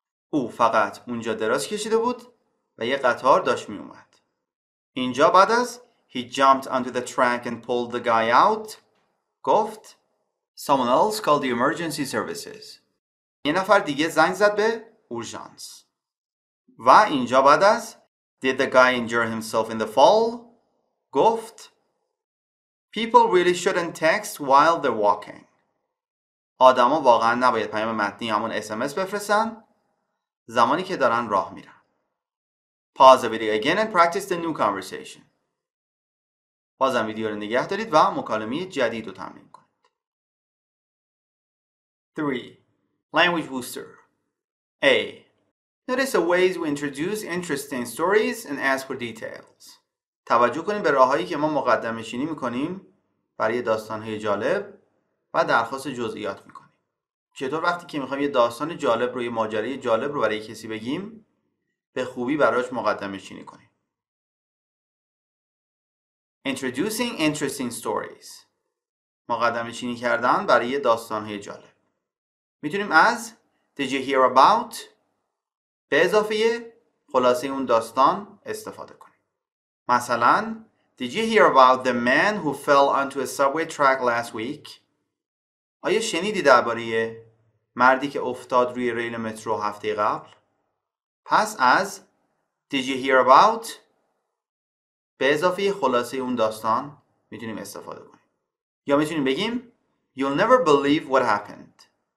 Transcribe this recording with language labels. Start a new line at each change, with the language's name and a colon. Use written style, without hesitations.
Persian: او فقط اونجا دراز کشیده بود و یه قطار داشت می اومد. اینجا بعد از
English: he jumped onto the track and pulled the guy out
Persian: گفت
English: someone else called the emergency services.
Persian: یه نفر دیگه زنگ زد به اورژانس. و اینجا بعد از
English: Did the guy injure himself in the fall?
Persian: گفت
English: People really shouldn't text while they're walking.
Persian: آدم ها واقعا نباید پیام متنی همون SMS بفرستن زمانی که دارن راه میرن.
English: Pause the video again and practice the new conversation.
Persian: بازم ویدیو رو نگه دارید و مکالمه جدید رو تمرین کنید.
English: 3. Language Booster A. Notice the ways we introduce interesting stories and ask for details.
Persian: توجه کنیم به راههایی که ما مقدمه شینی میکنیم برای داستانهای جالب و درخواست جزئیات میکنیم. چطور وقتی که میخوایم یه داستان جالب رو یه ماجرای جالب رو برای کسی بگیم به خوبی براش مقدمه شینی کنیم.
English: Introducing interesting stories.
Persian: مقدمه شینی کردن برای یه داستانهای جالب. میتونیم از
English: Did you hear about؟
Persian: به اضافه خلاصه اون داستان استفاده کنیم.
English: مثلا Did you hear about the man who fell onto a subway track last week?
Persian: آیا شنیدی درباره مردی که افتاد روی ریل مترو هفته قبل؟ پس از
English: Did you hear about
Persian: به اضافه خلاصه اون داستان میتونیم استفاده کنیم. یا میتونیم بگیم
English: You'll never believe what happened.